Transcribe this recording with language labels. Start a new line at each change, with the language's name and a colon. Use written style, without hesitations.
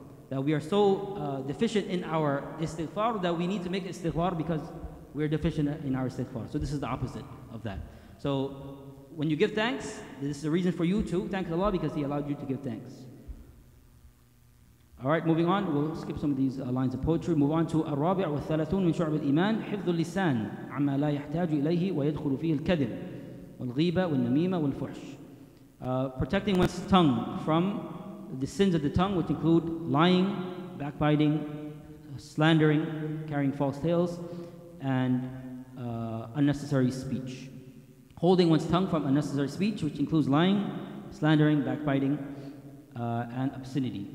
English: That we are so deficient in our istighfar that we need to make istighfar because we're deficient in our istighfar. So this is the opposite of that. So when you give thanks, this is a reason for you to thank Allah because He allowed you to give thanks. All right, moving on. We'll skip some of these lines of poetry. Move on to
Arabic: الرابع والثلاثون من شعب الإيمان حفظ اللسان عما لا يحتاج إليه ويدخل فيه الكذب والغيبة والنميمة والفحش.
English: Protecting one's tongue from the sins of the tongue, which include lying, backbiting, slandering, carrying false tales, and unnecessary speech. Holding one's tongue from unnecessary speech, which includes lying, slandering, backbiting, and obscenity.